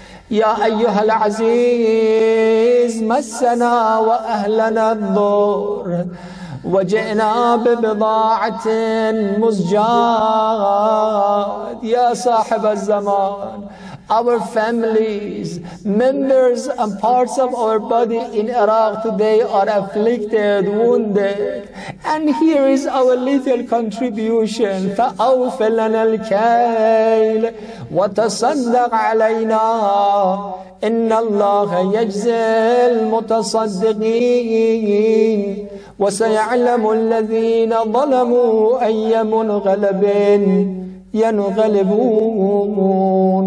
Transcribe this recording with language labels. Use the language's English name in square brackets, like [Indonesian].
[Arabic] يا أيها العزيز مسنا وأهلنا الضر وجئنا ببضاعة مزجاد. يا صاحب الزمان, [English] our families, members and parts of our body in Iraq today are afflicted, wounded, and here is our little contribution. [Arabic] فأوف لنا الكيل وتصدق علينا إن الله يجزي المتصدقين وسيعلم الذين ظلموا أي منغلب ينغلبون.